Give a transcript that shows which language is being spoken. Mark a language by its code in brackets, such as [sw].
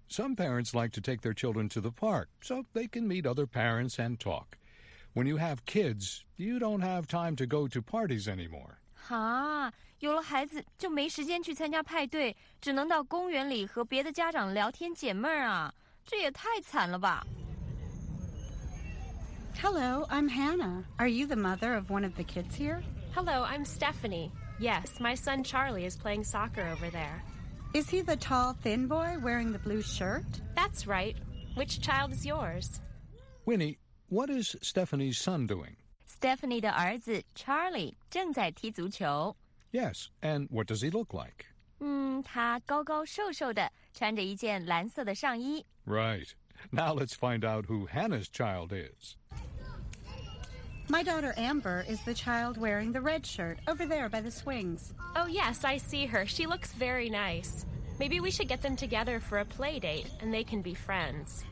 [en] Some parents like to take their children to the park so they can meet other parents and talk. When you have kids, you don't have time to go to parties anymore. [zh] 啊，有了孩子就没时间去参加派对，只能到公园里和别的家长聊天解闷啊，这也太惨了吧。 [en] Hello, I'm Hannah. Are you the mother of one of the kids here? Hello, I'm Stephanie. Yes, my son Charlie is playing soccer over there. Is he the tall, thin boy wearing the blue shirt? That's right. Which child is yours? Winnie, what is Stephanie's son doing? [zh] Stephanie 的儿子 Charlie 正在踢足球。 [en] Yes, and what does he look like? [zh] 他高高瘦瘦的，穿着一件蓝色的上衣。 [en] Right. Now let's find out who Hannah's child is. My daughter Amber is the child wearing the red shirt over there by the swings. Oh, yes, I see her. She looks very nice. Maybe we should get them together for a play date and they can be friends.